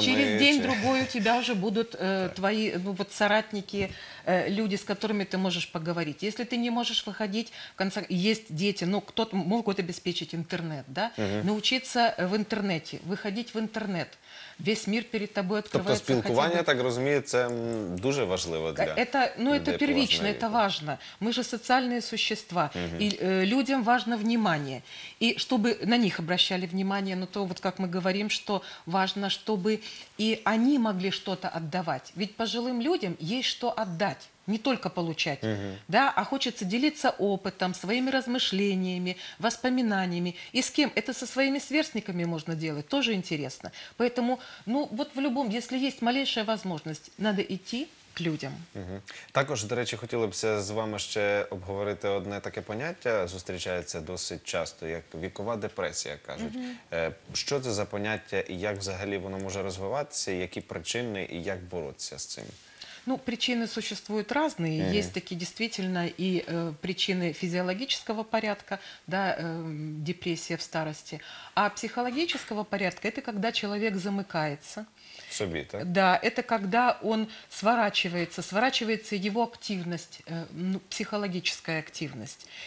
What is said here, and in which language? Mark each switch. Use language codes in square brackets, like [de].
[ru] Через день-другой у тебя уже будут твои, ну, вот, соратники, люди, с которыми ты можешь поговорить. Если ты не можешь выходить, в конце, есть дети, ну, кто-то могут обеспечить интернет, да? Научиться в интернете, выходить в интернет. Весь мир перед тобой открывается. [uk] Тобто спілкування, так розумію, це дуже важливо для людей. [ru] Это, ну, это первично, это важно. Мы же социальные существа. И людям важно внимание. И чтобы на них обращали внимание, ну, то, вот как мы говорим, что важно, чтобы и они могли что-то отдавать. Ведь пожилым людям есть что отдать. Не только получать, да, а хочется делиться опытом, своими размышлениями, воспоминаниями. И с кем? Это со своими сверстниками можно делать, тоже интересно. Поэтому, ну, вот в любом, если есть малейшая возможность, надо идти к людям. [uk] Також, до речі, хотілося з вами ще обговорити одне таке поняття, зустрічається досить часто, як вікова депресія, кажуть. Що це за поняття і як взагалі воно може розвиватися, які причини і як боротися з цим? [ru] Ну, причины существуют разные. Есть такие действительно и причины физиологического порядка, да, депрессия в старости. А психологического порядка – это когда человек замыкается. В себе, так? Да, это когда он сворачивается, сворачивается его активность, психологическая активность.